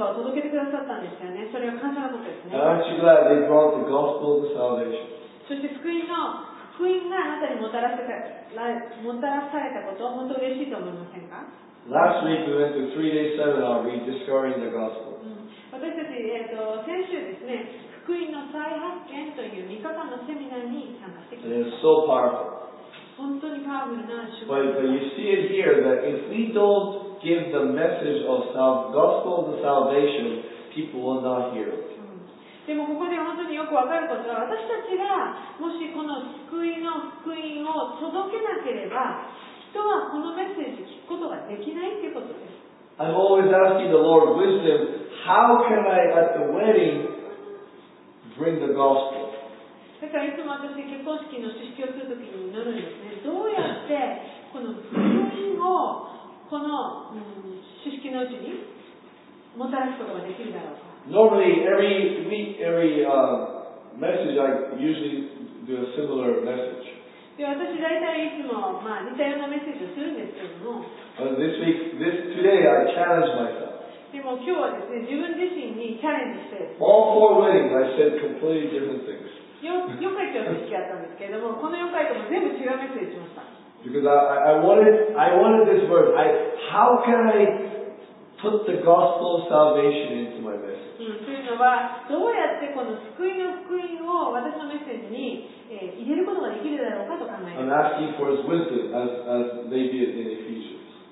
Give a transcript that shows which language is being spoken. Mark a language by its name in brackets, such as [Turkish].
[English] Aren't you glad they brought the gospel of salvation? [Japanese] そして福音の福音があなたにもたらされたことを本当に嬉しいと思いませんか？ [English] Last week we went to a 3-day seminar rediscovering the gospel. [Japanese] 私たち先週ですね。福音の再発見という3日間のセミナーに参加してきました。 [English] So powerful. [Japanese] 本当にパワフルな主語。 [English] But you see it here that if we don't give the message of the gospel of the salvation, people will not hear it.、 [Japanese] でもここで本当によくわかることは、私たちがもしこの救いの福音を届けなければ、人はこのメッセージ聞くことができないということです。 [English] I'm always asking the Lord wisdom, how can I at the wedding? Bring the gospel. [Japanese] だからいつも私結婚式の知識をするときに祈るんですね。どうやってこの福音をこの知識のうちにもたらすことができるだろうか。 [English] Normally every week, every message I usually do a similar message. [Japanese] で私大体いつも、似たようなメッセージをするんですけども。 [English] This week, today I challenge myself. [Japanese] でも今日はですね、自分自身にチャレンジして、 [English] All four weddings, I said completely different things. [Japanese] 4回以上の式あったんですけれども、この4回とも全部違うメッセージしました。 [English] Because I wanted this word. How can I put the gospel of salvation into my message? I'm asking for his wisdom as they did in Ephesians.